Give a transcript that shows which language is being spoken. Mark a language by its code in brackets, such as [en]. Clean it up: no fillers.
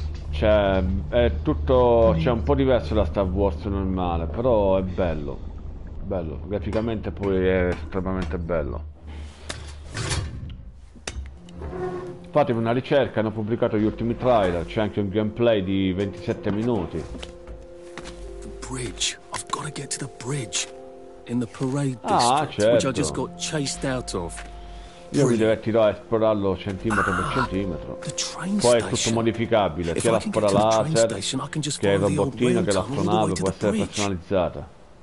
[it] Cioè, è tutto, cioè, un po' diverso da Star Wars normale, però è bello. Bello, graficamente poi è estremamente bello. Fatevi una ricerca, hanno pubblicato gli ultimi trailer, c'è anche un gameplay di 27 minuti. [en] The bridge. I've got to get to the bridge in the parade district, [it] certo. [en] Which I just got chased out of. [it] Io mi divertirò a esplorarlo centimetro per centimetro. Poi è tutto modificabile, sia la spora laser, che il robottino, che l'astronave può essere personalizzata.